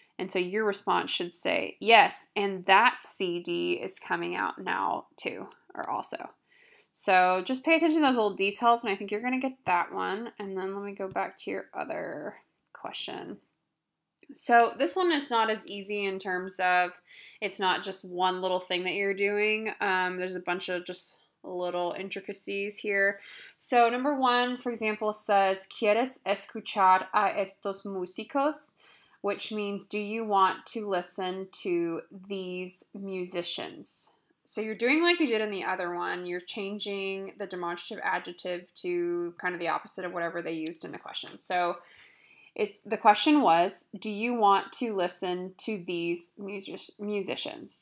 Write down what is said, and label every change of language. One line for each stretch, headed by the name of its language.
English: And so your response should say, yes, and that CD is coming out now too, or also. So just pay attention to those little details, and I think you're going to get that one. And then let me go back to your other question. So this one is not as easy in terms of it's not just one little thing that you're doing. There's a bunch of just little intricacies here. So number one, for example, says,
Spanish: ¿Quieres escuchar a estos músicos?
English: Which means, do you want to listen to these musicians? So you're doing like you did in the other one. You're changing the demonstrative adjective to kind of the opposite of whatever they used in the question. So it's the question was, do you want to listen to these musicians?